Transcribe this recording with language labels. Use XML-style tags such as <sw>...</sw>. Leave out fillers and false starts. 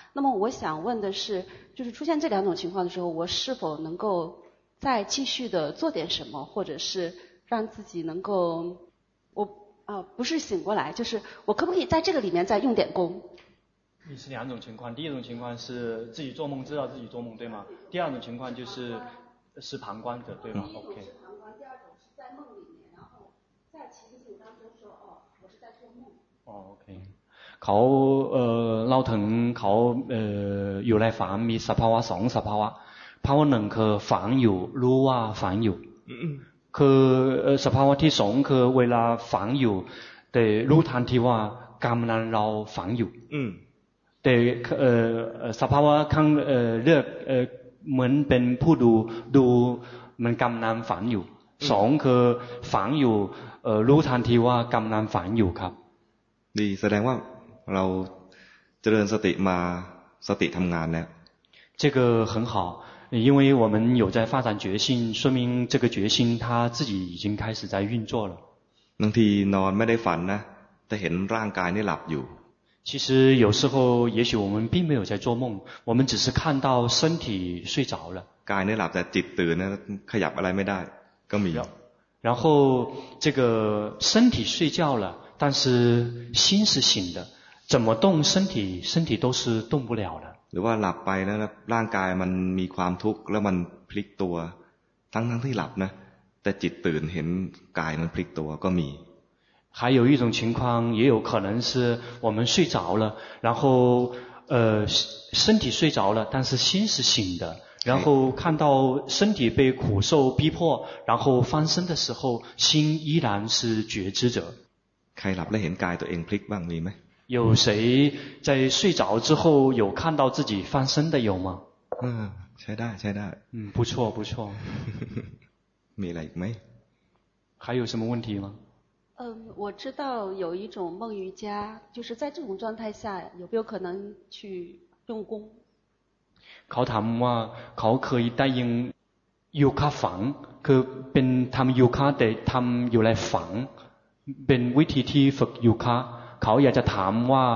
<zh>那么我想问的是，就是出现这两种情况的时候，我是否能够再继续的做点什么，或者是让自己能够不是醒过来，就是我可不可以在这个里面再用点功？你是两种情况，第一种情况是自己做梦知道自己做梦对吗？第二种情况就是。是旁观者对吗？第一种是旁观，第二种是在梦里面，然后在情景当中说我是在做梦。</zh> <en>OK。</en> <th>เขาเล่าถึงเขาอยู่ในฝันมีสภาวะสองสภาวะภาวะหนึ่งคือฝันอยู่รู้ว่าฝันอยู่คือสภาวะที่สองคือเวลาฝันอยู่แต่รู้ทันทีว่ากำลังเราฝันอยู่แต่สภาวะข้างเลือกเหมือนเป็นผู้ดูมันกำลังฝันอยู่สองคือฝันอยู่รู้ทันทีว่ากำลังฝันอยู่ครับ ดีแสดงว่าเราเจริญสติมาสติทำงานแล้ว</th> <zh>这个很好因为我们有在发展觉性说明这个觉性它自己已经开始在运作了</zh> <th>บางทีนอนไม่ได้ฝันนะแต่เห็นร่างกายนี่หลับอยู่</th> <zh>其实有时候也许我们并没有在做梦我们只是看到身体睡着了</zh> <th>กายเนี่ยหลับแต่จิตตื่นนะขยับอะไรไม่ได้ก็มี</th> <zh>然后这个身体睡觉了但是心是醒的怎么动身体都是动不了的</zh> <th>หรือว่าหลับไปแล้วร่างกายมันมีความทุกข์แล้วมันพลิกตัวทั้งที่หลับนะแต่จิตตื่นเห็นกายมันพลิกตัวก็มี</th> <zh>high有一种情况也有可能是我们睡着了然后身体睡着了但是心是醒的然后看到身体被苦受逼迫然后翻身的时候心依然是觉知者</zh> <th>ใครหลับแล้วเห็นกายตัวเองพลิกบ้างมีไหม</th> <zh>有谁在睡着之后有看到自己翻身的有吗</zh> <th>ใช่ได้</th> <zh>不错</zh> <th>มีอะไรอีกไหม</th> <zh>还有什么问题吗我知道有一种梦瑜伽，就是在这种状态下，有没有可能去用功？</zh> <th>เขาถามว่าเขาเคยได้ยินโยคะฝังคือเป็นทำโยคะแต่ทำอยู่ในฝังเป็นวิธีที่ฝึกโยคะเขาอยากจะถามว่า</th>